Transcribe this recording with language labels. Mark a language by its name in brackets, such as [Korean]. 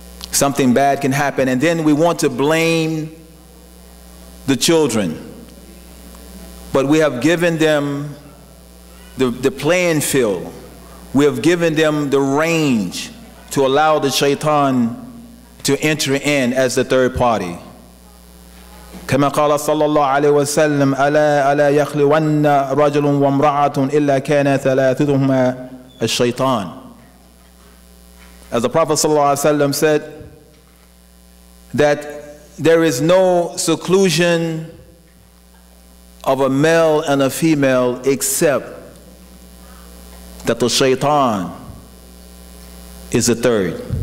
[English] Something bad can happen. And then we want to blame the children. But we have given them the playing field. We have given them the range to allow the shaitan to enter in as the third party. [Arabic] كما قال صلى الله عليه وسلم ألا يخلون رجل وامرأة إلا كان ثلاثتهما الشيطان. [English] As the Prophet [Arabic] صلى الله عليه وسلم [English] said, that there is no seclusion of a male and a female except that the shaitan is a third.